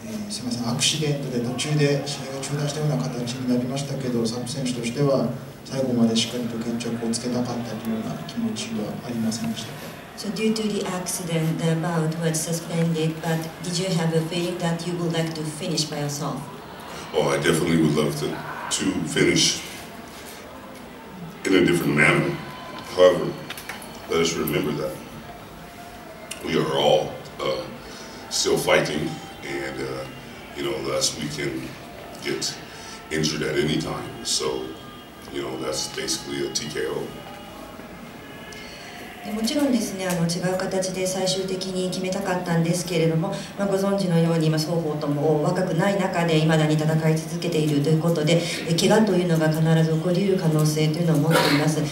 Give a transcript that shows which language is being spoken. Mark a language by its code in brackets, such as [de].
[ja] すみません、アクシデントで途中で試合が中断したような形になりましたけど、サップ選手としては最後までしっかりと決着をつけたかったというような気持ちはありませんでしたか。 [en] So due to the accident, the bout was suspended, but did you have a feeling that you would like to finish by yourself? Oh, I definitely would love to finish in a different manner. However, let us remember that we are all still fighting. And, you know, thus we can get injured at any time. So, you know, that's basically a TKO. [ja] もちろんですね、違う形で最終的に決めたかったんですけれども、ご存知のように今双方とも若くない中で未だに戦い続けているということで、怪我というのが必ず起こり得る可能性というのを持っています。